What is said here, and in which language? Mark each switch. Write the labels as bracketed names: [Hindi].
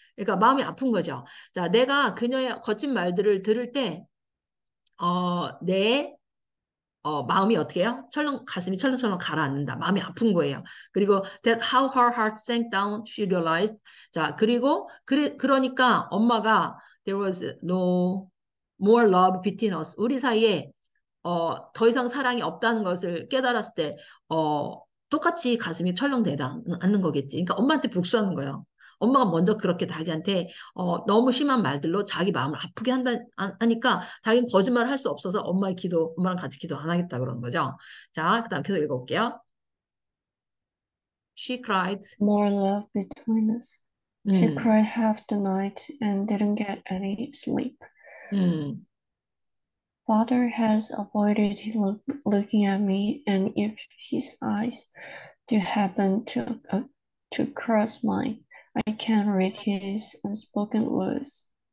[Korean] 그러니까 마음이 아픈 거죠. 자, 내가 그녀의 거친 말들을 들을 때, 마음이 어떻게 해요? 가슴이 철렁철렁 가라앉는다. 마음이 아픈 거예요. [English] 그리고 that how her heart sank down, she realized. [Korean] 자, 그리고 그러니까 엄마가 [English] there was no more love between us. [Korean] 우리 사이에 더 이상 사랑이 없다는 것을 깨달았을 때, 똑같이 가슴이 철렁대다는 거겠지. 그러니까 엄마한테 복수하는 거예요. 엄마가 먼저 그렇게 자기한테 너무 심한 말들로 자기 마음을 아프게 하니까 자기는 거짓말을 할수 없어서 엄마의 기도, 엄마랑 같이 기도 안 하겠다 그런 거죠. 자, 그다음 계속 읽어볼게요. [English] She cried. More love between us. She cried half the night and didn't get any sleep. Father has avoided looking at me, and if his eyes do happen to cross mine, I can't read his unspoken words.